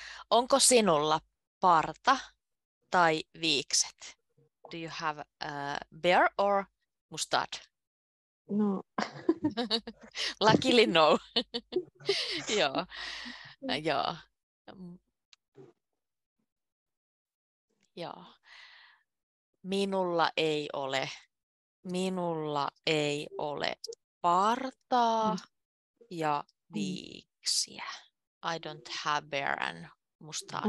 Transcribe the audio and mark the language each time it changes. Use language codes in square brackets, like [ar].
[fi] Onko sinulla parta tai viikset? [en] Do you have a bear or mustache? No. Luckily no. Joo. Joo. [fi] Joo. Minulla ei ole partaa ja viiksiä. [en] I don't have bear and mustache.